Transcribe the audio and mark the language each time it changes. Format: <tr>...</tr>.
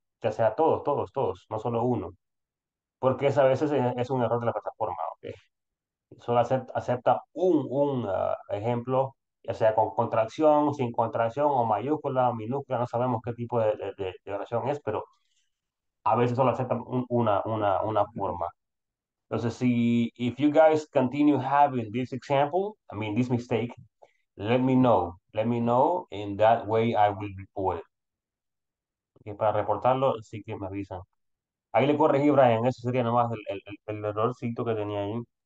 <es>Ya sea todos, no solo uno. Porque a veces es un error de la plataforma, ¿ok? Solo acepta un ejemplo, ya sea con contracción, sin contracción, o mayúscula, o minúscula, no sabemos qué tipo de oración es, pero a veces solo acepta una forma. Entonces, si,</es> <en>if you guys continue having this example, I mean, this mistake, let me know, in that way I will report it.</en> <es>Okay, para reportarlo, sí que me avisan. Ahí le corregí, Brian. Eso sería nomás el errorcito que tenía ahí.</es>